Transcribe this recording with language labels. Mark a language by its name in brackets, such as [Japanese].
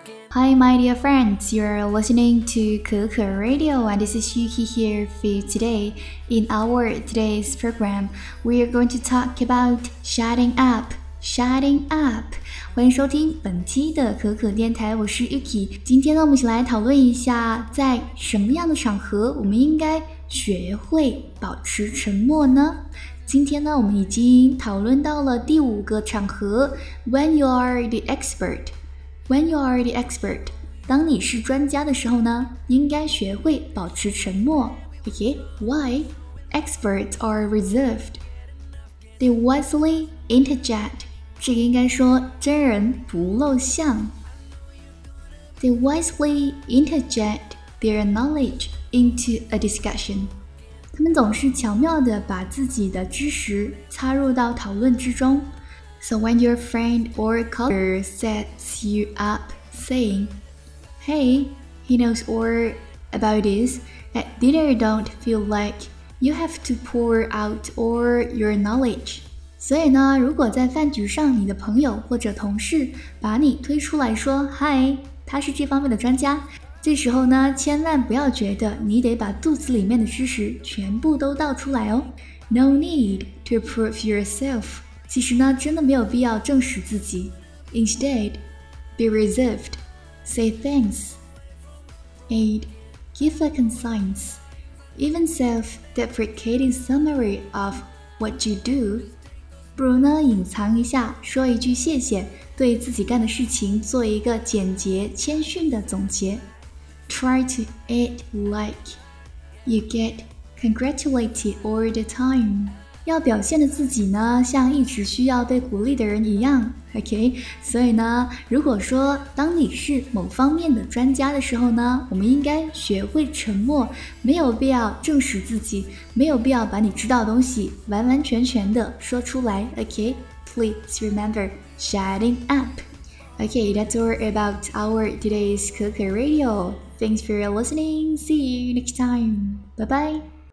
[English] Hi, my dear friends, you're listening to Kuku Radio, and this is Yuki here for you today. In our today's program, we are going to talk about shutting up, shutting up. [Chinese] 欢迎收听本期的可可电台，我是 Yuki。今天呢，我们一起来讨论一下，在什么样的场合，我们应该学会保持沉默呢？今天呢，我们已经讨论到了第五个场合 ， [English] When you are the expert. When you are the expert, [Chinese] 当你是专家的时候呢，应该学会保持沉默。 [English] Okay, why? Experts are reserved. They wisely interject. [Chinese] 这个应该说真人不露相。 [English] They wisely interject their knowledge into a discussion. [Chinese] 他们总是巧妙地把自己的知识插入到讨论之中。 [English] So when your friend or colleague sets you up saying, Hey, he knows all about this, at dinner don't feel like you have to pour out all your knowledge. [Chinese] 所以呢，如果在饭局上你的朋友或者同事把你推出来说 Hi, 他是这方面的专家，这时候呢，千万不要觉得你得把肚子里面的知识全部都倒出来哦。 [English] No need to prove yourself. [Chinese] 其实呢，真的没有必要证实自己。 [English] Instead, be reserved. Say thanks. 8. Give a concise, even self-deprecating summary of what you do. [Chinese] 不如呢，隐藏一下，说一句谢谢，对自己干的事情做一个简洁、谦逊的总结。 [English] Try to act like you get congratulated all the time. [Chinese] 要表现的自己呢，像一直需要被鼓励的人一样 ，OK。所以呢，如果说当你是某方面的专家的时候呢，我们应该学会沉默，没有必要证实自己，没有必要把你知道的东西完完全全的说出来 ，OK。 [English] Please remember shutting up. OK, that's all about our today's Kuku Radio. Thanks for listening. See you next time. Bye bye.